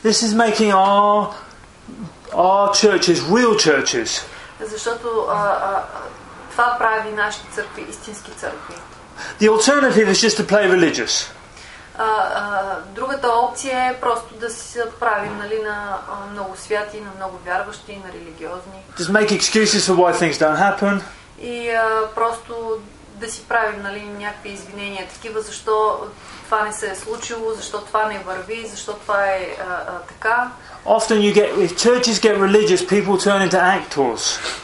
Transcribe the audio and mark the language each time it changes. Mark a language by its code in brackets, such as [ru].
[en] This is making our churches real churches. [bg] Защото това прави нашите църкви истински църкви. [en] The alternative is just to play religious. [bg] Другата опция е просто да си се правим, нали, на много святи, на много вярващи, на религиозни. [en] Just make excuses for why things don't happen. [bg] И просто да си правим, нали, някакви извинения такива, защо това не се е случило, защо това не върви, защо това е така. [en] Often you get, if churches get religious, people turn into actors.